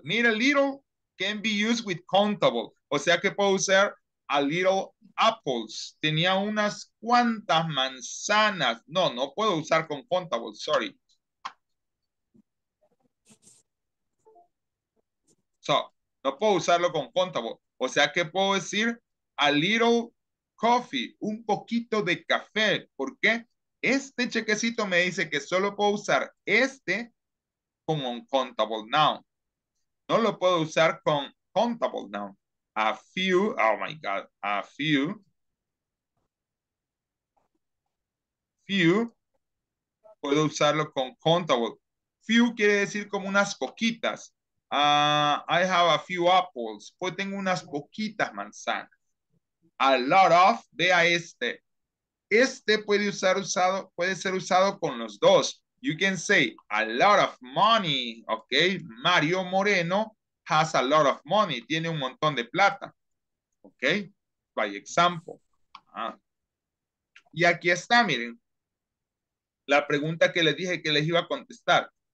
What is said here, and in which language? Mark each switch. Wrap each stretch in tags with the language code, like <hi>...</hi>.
<en>Need a little can be used with countable.</en> <es>O sea que puedo usar a little apples. Tenía unas cuantas manzanas. No, no puedo usar con countable. Sorry. So, no puedo usarlo con countable. O sea, ¿qué puedo decir? A little coffee. Un poquito de café. ¿Por qué? Este chequecito me dice que solo puedo usar este con un countable noun. No lo puedo usar con countable noun. A few, oh my God, a few. Few, puedo usarlo con countable. Few quiere decir como unas poquitas. I have a few apples. Pues tengo unas poquitas manzanas. A lot of, vea este. Este puede usar usado, puede ser usado con los dos.</es> <en>You can say, a lot of money, ok. Mario Moreno has a lot of money. Tiene un montón de plata. Ok. By example.</en> <es>Y aquí está, miren. La pregunta que les dije que les iba a contestar.</es>